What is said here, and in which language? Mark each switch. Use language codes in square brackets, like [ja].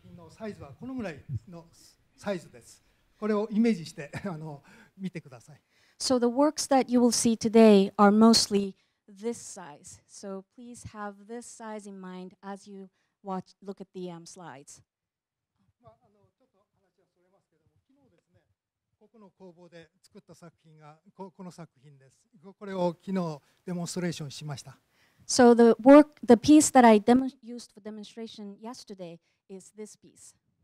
[ja] サイズはこのぐらいのサイズです。これをイメージして見てください。 [en] So the works that you will see today are mostly this size. So please have this size in mind as you watch, look at the slides. [ja] ちょっと話はそれますけども、昨日ですね、ここの工房で作った作品がこの作品です。これを昨日デモンストレーションしました。 [en] So the work, the piece that I used for demonstration yesterday is this piece.